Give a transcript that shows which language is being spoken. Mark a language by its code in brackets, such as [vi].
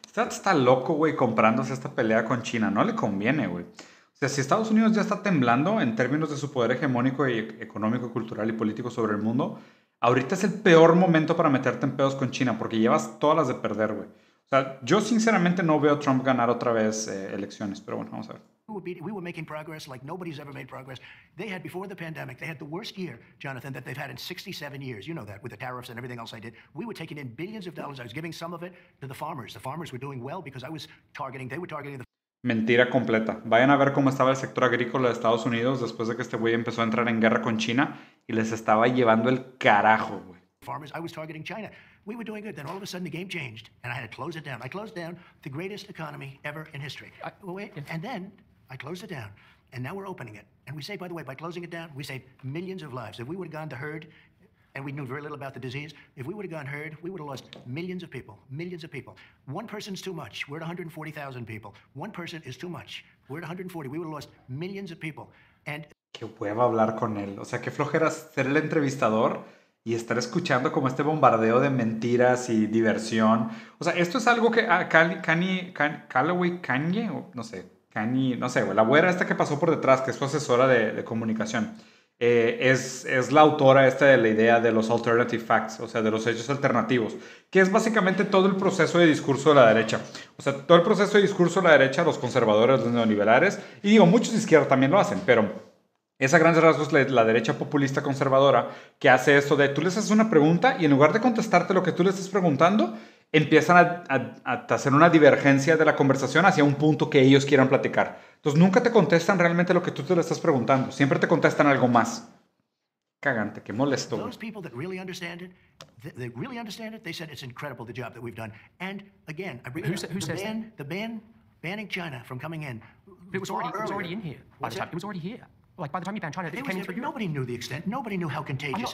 [es] Está loco, güey, comprándose esta pelea con China. No le conviene, güey. O sea, si Estados Unidos ya está temblando en términos de su poder hegemónico y económico, cultural y político sobre el mundo, ahorita es el peor momento para meterte en pedos con China, porque llevas todas las de perder, güey. O sea, yo sinceramente no veo a Trump ganar otra vez elecciones, pero bueno, vamos a ver. [en] We were making progress like nobody's ever made progress. They had before the pandemic, they had the worst year, Jonathan, that they've had in 67 years. You know that, with the tariffs and everything else I did. We were taking in billions of dollars. I was giving some of it to the farmers. The farmers were doing well because I was targeting, they were targeting the... [es] Mentira completa. Vayan a ver cómo estaba el sector agrícola de Estados Unidos después de que este güey empezó a entrar en guerra con China y les estaba llevando el carajo, güey. [en] Farmers, I was targeting China. We were doing good. Then all of a sudden, the game changed, and I had to close it down. I closed down the greatest economy ever in history. And then... I closed it down, and now we're opening it. And we say, by the way, by closing it down, we saved millions of lives. If we would have gone to herd, and we knew very little about the disease, if we would have gone herd, we would have lost millions of people, millions of people. One person's too much. We're at 140,000 people. One person is too much. We're at 140. We would have lost millions of people. And [es] qué hueva hablar con él. O sea, qué flojera ser el entrevistador y estar escuchando como este bombardeo de mentiras y diversión. O sea, esto es algo que Calloway, Kanye, o no sé, Kanye, no sé, la güera esta que pasó por detrás, que es su asesora de comunicación, es la autora esta de la idea de los alternative facts, o sea, de los hechos alternativos, que es básicamente todo el proceso de discurso de la derecha. O sea, todo el proceso de discurso de la derecha, los conservadores, los neoliberales, y digo, muchos de izquierda también lo hacen, pero esa a grandes rasgos es la derecha populista conservadora que hace esto de tú les haces una pregunta y en lugar de contestarte lo que tú le estás preguntando, empiezan a hacer una divergencia de la conversación hacia un punto que ellos quieran platicar. Entonces nunca te contestan realmente lo que tú te le estás preguntando. Siempre te contestan algo más. Cagante, qué molesto, [en] Those people that really understand it, they really understand it, they said it's incredible the job that we've done. And again, I bring who's, up who the says ban, that? The ban banning China from coming in. It was already in here. What's it? It was already here. Like by the time you banned China, it came in through. Nobody knew the extent. Nobody knew how contagious